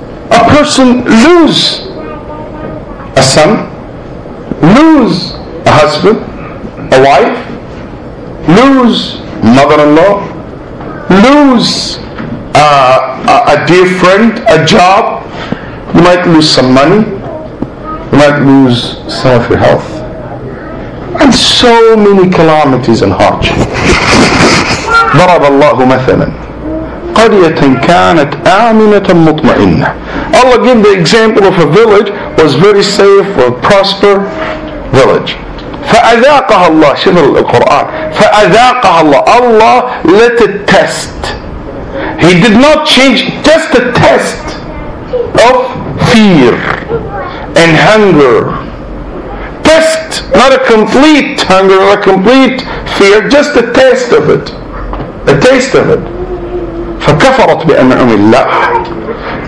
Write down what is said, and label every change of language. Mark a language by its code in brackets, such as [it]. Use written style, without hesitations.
[en] A person lose a son, lose a husband, a wife, lose mother-in-law, lose a dear friend, a job, you might lose some money, you might lose some of your health, and so many calamities and hardships. [ar] ضرب الله مثلا قرية كانت آمنة مطمئنة. [en] Allah gave the example of a village was very safe or prosper village. [ar] فأذاقها الله, شوف القرآن, فأذاقها الله, [en] Allah let it test. He did not change, just a test of fear and hunger. Test, not a complete hunger, not a complete fear, just a taste of it. A taste of it. [ar] فَكَفَرَتْ بِأَنْعُمِ اللَّهِ.